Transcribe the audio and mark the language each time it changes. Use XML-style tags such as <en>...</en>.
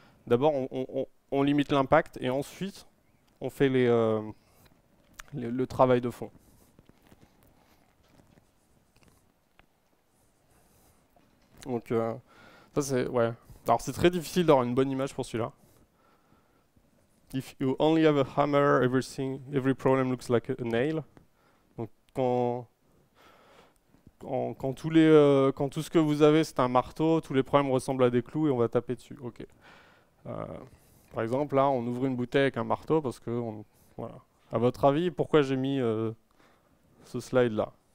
<fr>D'abord, on limite l'impact et ensuite, on fait le travail de fond. Donc, ça c'est, ouais. Alors, c'est très difficile d'avoir une bonne image pour celui-là.</fr> <en>If you only have a hammer, every problem looks like a nail.</en> <fr>Donc, quand tout ce que vous avez, c'est un marteau, tous les problèmes ressemblent à des clous et on va taper dessus. Ok. Par exemple, là, on ouvre une bouteille avec un marteau parce que, voilà. À votre avis, pourquoi j'ai mis ce slide-là?</fr>